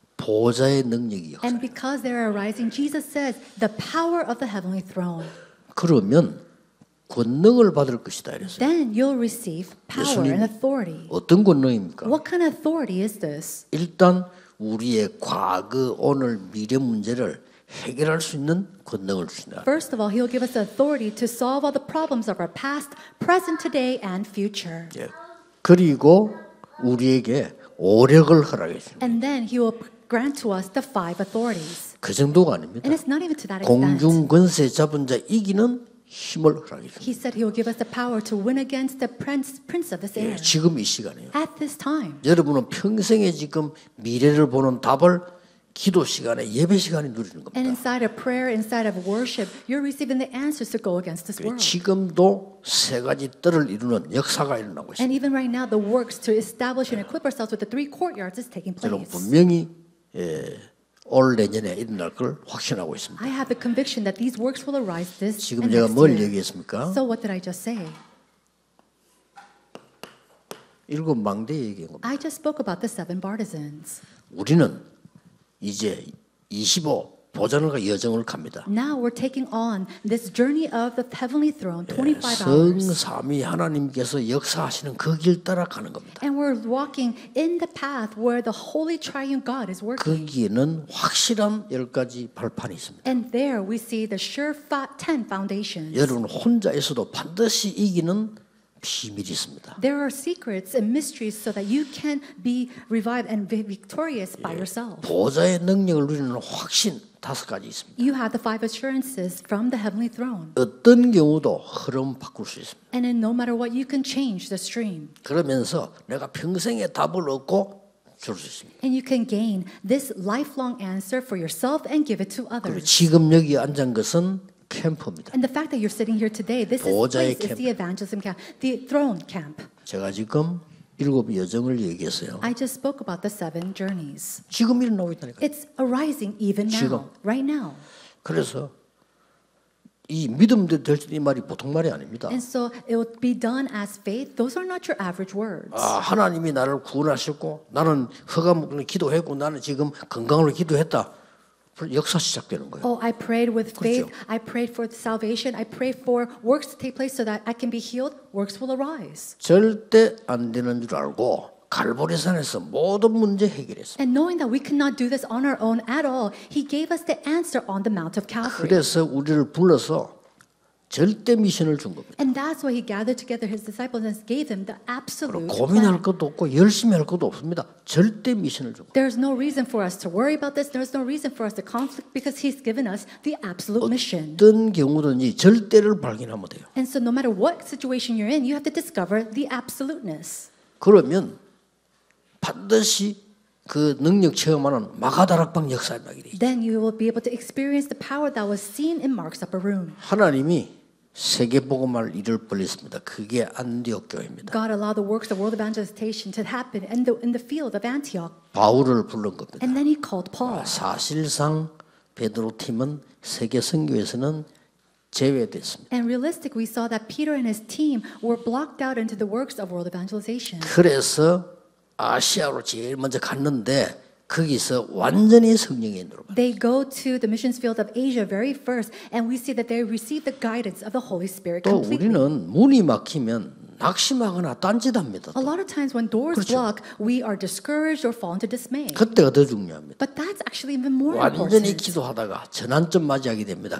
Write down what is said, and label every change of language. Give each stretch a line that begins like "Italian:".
Korean: 보좌의 능력이 역사.
English: And because they are arising, Jesus says, the power of the heavenly throne.
Korean: 그러면 권능을 받을 것이다 이랬어요.
English: Then you'll receive power and authority.
Korean: 어떤 권능입니까?
English: What kind of authority is this?
Korean: 일단 우리의 과거, 오늘, 미래 문제를 해결할 수 있는 권능을 주신다.
English: First of all, he'll give us authority to solve all the problems of our past, present, today and future.
Korean: 예. 그리고 우리에게 오력을 허락했습니다.
English: And then he will grant to us the five authorities.
Korean: 그 정도가 아닙니다.
English: And it's not even to that extent.
Korean: 공중 권세 잡은 자 이기는 힘을 허락했습니다.
English: He said he will give us the power to win against the prince of this era.
Korean: 예, 지금 이 시간에요.
English: At this time.
Korean: 여러분은 평생에 지금 미래를 보는 답을 기도 시간에 예배 시간에 누리는 겁니다.
English: And inside of prayer, inside of worship, you're receiving the answers to go against this world.
Korean: 지금도 세 가지 뜰을 이루는 역사가 일어나고 있습니다.
English: And even right now, the works to establish and equip ourselves with the three courtyards is taking place.
Korean: 여러분 분명히 올 내년에 일어날 걸 확신하고 있습니다.
English: I have the conviction that these works will arise this year.
Korean: 지금 제가 뭘 얘기했습니까?
English: So what did I just say?
Korean: 일곱 망대 얘기한 겁니다.
English: I just spoke about the seven partisans.
Korean: 우리는 이제 25 보좌의 여정을 갑니다.
English: Now we're taking on this journey of the heavenly throne 25 hours.
Korean: 성삼위 하나님께서 역사하시는 그 길 따라 가는 겁니다.
English: And we're walking in the path where the holy triune God is working.
Korean: 거기에는 확실한 열 가지 발판이 있습니다.
English: And there we see the sure 10 foundations.
Korean: 여러분 혼자에서도 반드시 이기는 비밀이 있습니다.
English: There are secrets and mysteries so that you can be revived and be victorious by yourself.
Korean: 보좌의 능력을 누리는 확신 다섯 가지 있습니다.
English: You have the five assurances from the heavenly throne.
Korean: 어떤 경우도 흐름 바꿀 수 있습니다.
English: And in no matter what, you can change the stream.
Korean: 그러면서 내가 평생에 답을 얻고 줄 수 있습니다.
English: And you can gain this lifelong answer for yourself and give it to others.
Korean: 그리고 지금 여기 앉은 것은 캠프입니다.
English: And the fact that you're sitting here today, this place is the evangelism camp, the throne camp.
Korean: 제가 지금 일곱 여정을 얘기했어요.
English: I just spoke about the seven journeys.
Korean: 지금 일어나고 있다니까.
English: It's arising even now,
Korean: 지금.
English: Right now.
Korean: 그래서 이 믿음 될지 이 말이 보통 말이 아닙니다.
English: And so it will be done as faith. Those are not your average words.
Korean: 아, 하나님이 나를 구원하셨고 나는 허감으로 기도했고 나는 지금 건강으로 기도했다. 역사 시작되는 거예요.
English: Oh, I prayed with faith.
Korean: 그렇죠.
English: I prayed for salvation. I prayed for works to take place so that I can be healed. Works will arise.
Korean: 절대 안 되는 줄 알고 갈보리산에서 모든 문제 해결했습니다.
English: And knowing that we cannot do this on our own at all, he gave us the answer on the Mount of Calvary.
Korean: 그래서 우리를 불러서 절대 미션을 준 겁니다.
English: And that's why he gathered together his disciples and gave them the absolute.
Korean: 고민할 것도 없고 열심히 할 것도 없습니다. 절대 미션을 준 겁니다.
English: There's no reason for us to worry about this. There's no reason for us to conflict because he's given us the absolute mission.
Korean: 어떤 경우든지 절대를 발견하면 돼요.
English: And so no matter what situation you're in, you have to discover the absoluteness.
Korean: 그러면 반드시 그 능력 체험하는 마가다락방 역사에 나게 되죠.
English: Then you will be able to experience the power that was seen in Mark's upper room.
Korean: 하나님이 세계복음화를 이룰 뿐이었습니다. 그게 안디옥 교회입니다.
English: God allowed the works of world evangelization to happen in the field of Antioch.
Korean: 바울을 부른 겁니다.
English: And then he called Paul.
Korean: 사실상 베드로 팀은 세계 선교에서는 제외됐습니다.
English: And realistically, we saw that Peter and his team were blocked out into the works of world evangelization.
Korean: 그래서 아시아로 제일 먼저 갔는데 거기서 완전히 성령의 인도를 받았어요.
English: They go to the missions field of Asia very first and we see that they receive the guidance of the Holy Spirit completely.
Korean: 또 우리는 문이 막히면 낙심하거나 딴짓합니다.
English: A lot of times when doors
Korean: 그렇죠.
English: block, we are discouraged or fall into dismay.
Korean: 그때가 더 중요합니다.
English: But that's actually even more
Korean: 완전히 완전히 기도하다가 전환점 맞이하게 됩니다.